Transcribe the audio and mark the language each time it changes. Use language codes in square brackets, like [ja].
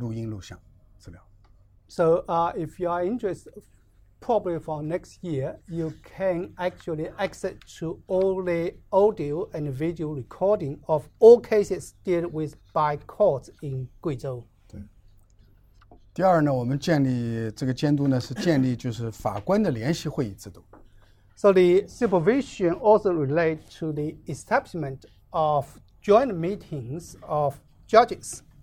[zh] 所以我估计大家明年如果大家感兴趣的话，可以看到贵州每一个案子的录音录像资料。 [en] So if you are interested, probably for next year, you can actually access to all the audio and video recording of all cases dealt with by courts in Guizhou. [zh] 第二呢，我们建立这个监督呢，是建立就是法官的联席会议制度。 [en] So the supervision also relates to the establishment of joint meetings of judges.